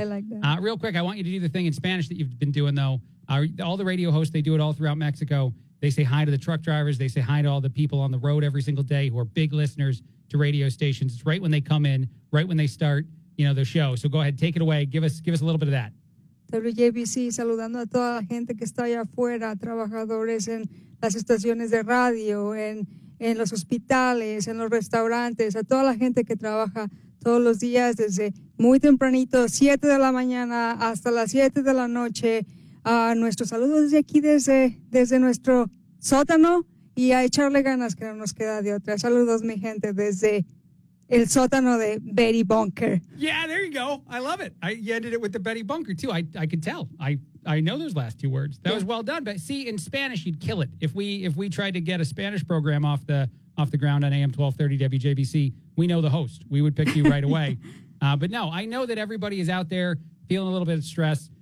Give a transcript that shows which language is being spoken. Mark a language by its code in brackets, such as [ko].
[en] I like that. Real quick, I want you to do the thing in Spanish that you've been doing, though. All the radio hosts, they do it all throughout Mexico. They say hi to the truck drivers. They say hi to all the people on the road every single day who are big listeners to radio stations. It's right when they come in, right when they start, you know, the show. So go ahead, take it away. Give us a little bit of that. [es] WJBC saludando a toda la gente que está allá afuera, trabajadores en las estaciones de radio, en los hospitales, en los restaurantes, a toda la gente que trabaja todos los días desde muy tempranito, 7 de la mañana hasta las 7 de la noche. Nuestro saludo desde aquí, desde nuestro sótano, y a echarle ganas que no nos queda de otra. Saludos, mi gente, desde el sótano de Betty Bunker. [en] Yeah, there you go. I love it. You ended it with the Betty Bunker, too. I could tell. I know those last two words. That was well done. But see, in Spanish, you'd kill it. If we tried to get a Spanish program off the ground on AM 1230 WJBC, we know the host. We would pick you right away. But no, I know that everybody is out there feeling a little bit of stress.